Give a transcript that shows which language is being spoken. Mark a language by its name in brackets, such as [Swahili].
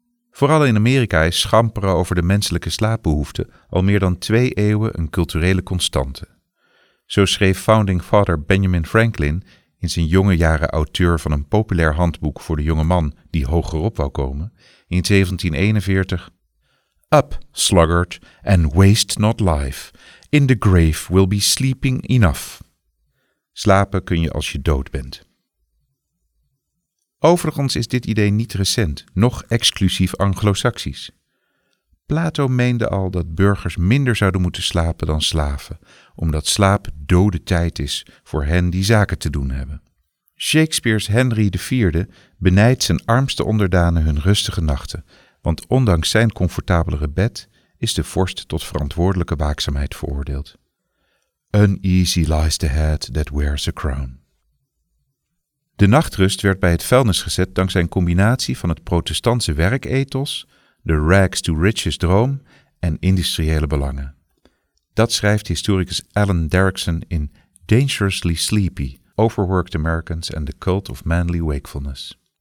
[Dutch] Vooral in Amerika is schamperen over de menselijke slaapbehoefte al meer dan 2 eeuwen een culturele constante. Zo schreef Founding Father Benjamin Franklin in zijn jonge jaren auteur van een populair handboek voor de jonge man die hogerop wou komen, in 1741... [English] Up, sluggard, and waste not life. In the grave will be sleeping enough. [Dutch] Slapen kun je als je dood bent. Overigens is dit idee niet recent, nog exclusief Anglo-Saxisch. Plato meende al dat burgers minder zouden moeten slapen dan slaven, omdat slaap dode tijd is voor hen die zaken te doen hebben. Shakespeare's Henry IV benijdt zijn armste onderdanen hun rustige nachten, want ondanks zijn comfortabelere bed is de vorst tot verantwoordelijke waakzaamheid veroordeeld. [English] Uneasy lies the head that wears a crown. [Dutch] De nachtrust werd bij het vuilnis gezet dankzij een combinatie van het protestantse werkethos, de rags-to-riches droom en industriële belangen. Dat schrijft historicus Alan Derrickson in Dangerously Sleepy, Overworked Americans and the Cult of Manly Wakefulness.